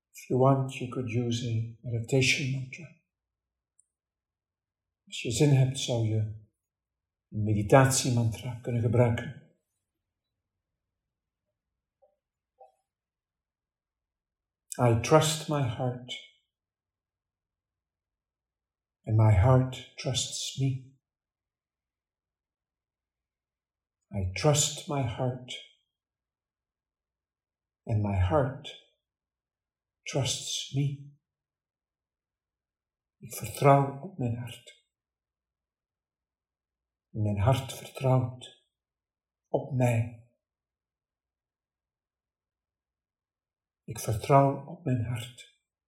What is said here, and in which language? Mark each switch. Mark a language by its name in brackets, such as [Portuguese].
[English] you want, you could use a meditation mantra. [Dutch] Als je zin hebt, zou je een meditatiemantra kunnen gebruiken. [English] I trust my heart, and my heart trusts me. I trust my heart, and my heart trusts me. [Dutch] Ik vertrouw op mijn hart. En mijn hart vertrouwt op mij. Ik vertrouw op mijn hart.